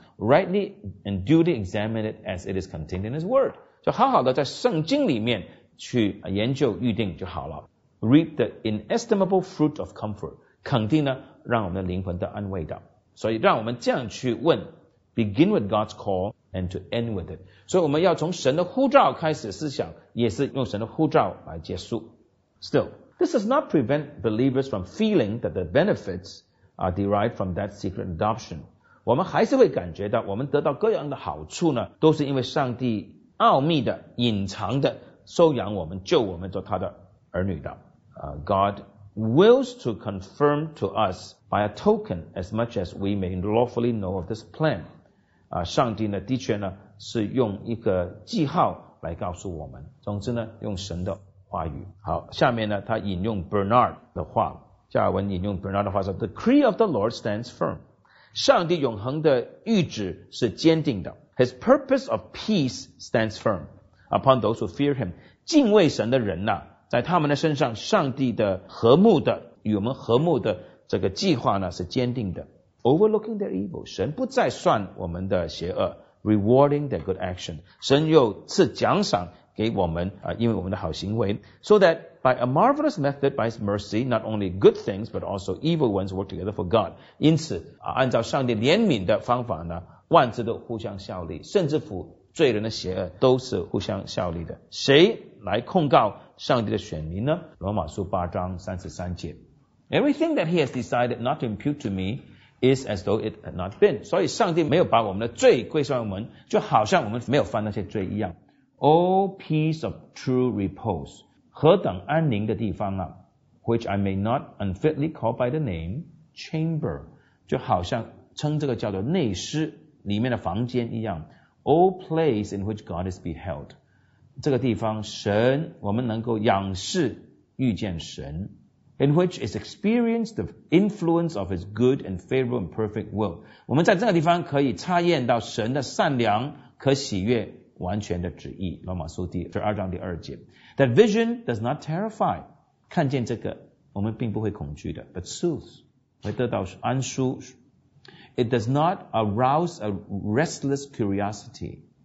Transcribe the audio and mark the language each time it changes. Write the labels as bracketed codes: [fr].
[en] Rightly and duly examine it as it is contained in His Word， [zh] 就好好的在圣经里面去研究预定就好了。 [en] Reap the inestimable fruit of comfort， [zh] 肯定呢，让我们的灵魂得安慰的。所以让我们这样去问 [en] ，Begin with God's call and to end with it。 [zh] 所以我们要从神的呼召开始思想，也是用神的呼召来结束。 [en] Still, this does not prevent believers from feeling that the benefits are derived from that secret adoption。 [zh] 我们还是会感觉到我们得到各样的好处呢，都是因为上帝奥秘的隐藏的收养我们，救我们做他的儿女的。 [en] God wills to confirm to us by a token as much as we may lawfully know of this plan。 [zh] 上帝呢的确呢是用一个记号来告诉我们，总之呢用神的话语。好，下面呢他引用 Bernard 的话，加尔文引用 Bernard 的话说， [en] The decree of the Lord stands firm。 [zh] 上帝永恒的谕旨是坚定的。 [en] His purpose of peace stands firm upon those who fear him. [zh] 敬畏神的人呢，在他们的身上，上帝的和睦的与我们和睦的这个计划呢是坚定的。 [en] Overlooking their evil, [zh] 神不再算我们的邪恶。 [en] Rewarding their good action, [zh] 神又赐奖赏给我们啊，因为我们的好行为。 [en] So that by a marvelous method, by His mercy, not only good things but also evil ones work together for God. [zh] 因此啊，按照上帝怜悯的方法呢，万事都互相效力，甚至乎罪人的邪恶都是互相效力的。谁来控告上帝的选民呢？罗马书八章三十三节。 [en] Everything that He has decided not to impute to me is as though it had not been. [zh] 所以上帝没有把我们的罪归算我们，就好像我们没有犯那些罪一样。 [en] All peace of true repose, [zh] 何等安宁的地方啊 [en] ,which I may not unfitly call by the name, chamber, [zh] 就好像称这个叫做内室里面的房间一样。 [en] All place in which God is beheld, [zh] 这个地方神我们能够仰视遇见神。 [en] In which is experienced the influence of His good and favorable and perfect will. [zh] 我们在这个地方可以查验到神的善良可喜悦完全的旨意。罗马书第二章第二节。 [en] That vision does not terrify. [zh] 看见这个我们并不会恐惧的。 [en] But soothes. [zh] 会得到安舒。 [en] It does not arouse a restless curiosity.